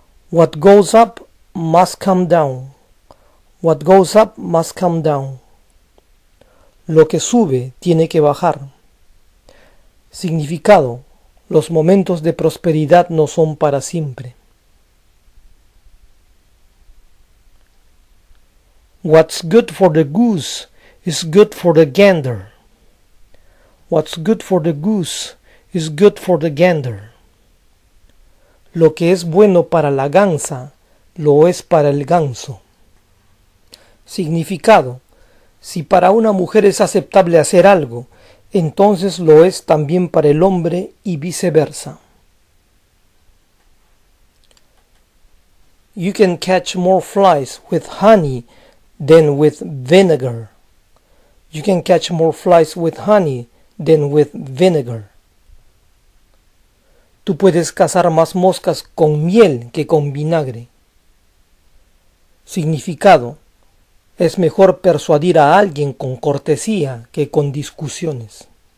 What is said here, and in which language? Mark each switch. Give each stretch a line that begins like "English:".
English: What goes up must come down. What goes up must come down.
Spanish: Lo que sube tiene que bajar. Significado: los momentos de prosperidad no son para siempre.
English: What's good for the goose is good for the gander. What's good for the goose is good for the gander.
Spanish: Lo que es bueno para la gansa lo es para el ganso. Significado: si para una mujer es aceptable hacer algo, entonces lo es también para el hombre y viceversa.
English: You can catch more flies with honey than with vinegar. You can catch more flies with honey than with vinegar.
Spanish: Tú puedes cazar más moscas con miel que con vinagre. Significado: es mejor persuadir a alguien con cortesía que con discusiones.